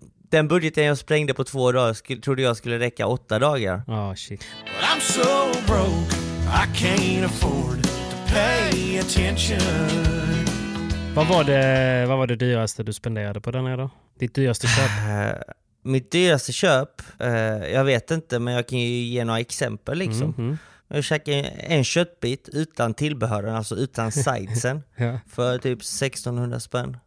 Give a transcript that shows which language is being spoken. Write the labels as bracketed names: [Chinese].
[Swedish] Den budgeten jag sprängde på 2 dagar trodde jag skulle räcka 8 dagar. [English] Oh, shit. Well, I'm so broke, I can't afford to pay attention. [Swedish] Vad var det dyraste du spenderade på den här då? Ditt dyraste köp? Mitt dyraste köp? Jag vet inte, men jag kan ju ge några exempel liksom. Mm-hmm. Jag käkade en köttbit utan tillbehören, alltså utan sidesen. Ja. För typ 1600 spänn.